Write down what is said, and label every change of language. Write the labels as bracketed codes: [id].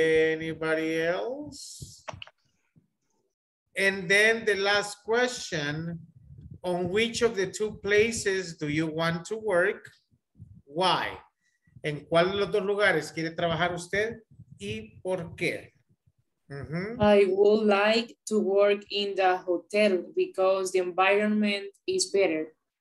[en] Anybody else? And then the last question, on which of the two places do you want to work? Why? [es] ¿En cuál de los dos lugares quiere trabajar usted? ¿Y por qué? Mm-hmm. [en] I would like to work in the hotel because the environment is better.